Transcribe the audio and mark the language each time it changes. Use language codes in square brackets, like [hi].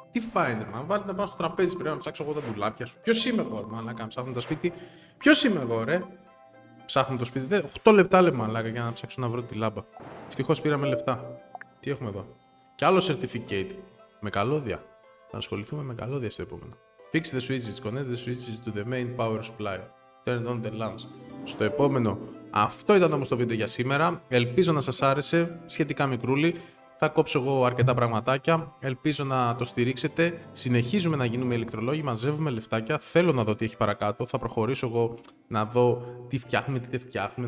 [el] Τι φάει, μα βάλει να πάω στο τραπέζι, πρέπει να ψάξω εγώ τα ντουλάπια σου. Ποιος είμαι εγώ, ρε μαλάκα, να ψάχνω το σπίτι? Ποιος είμαι εγώ, ρε? Ψάχνω το σπίτι. 8 λεπτά λέμε, μαλάκα, για να ψάξω να βρω τη λάμπα. Ευτυχώς πήραμε λεφτά. Τι έχουμε εδώ? Και άλλο certificate. Με καλώδια. Θα ασχοληθούμε με καλώδια στο επόμενο. [en] Fix the switches, connect the switches to the main power supply. Turn on the lamps. [el] Στο επόμενο. Αυτό ήταν όμως το βίντεο για σήμερα. Ελπίζω να σας άρεσε. Σχετικά μικρούλι. Θα κόψω εγώ αρκετά πραγματάκια. Ελπίζω να το στηρίξετε. Συνεχίζουμε να γίνουμε ηλεκτρολόγοι. Μαζεύουμε λεφτάκια. Θέλω να δω τι έχει παρακάτω. Θα προχωρήσω εγώ να δω τι φτιάχνουμε, τι δεν φτιάχνουμε.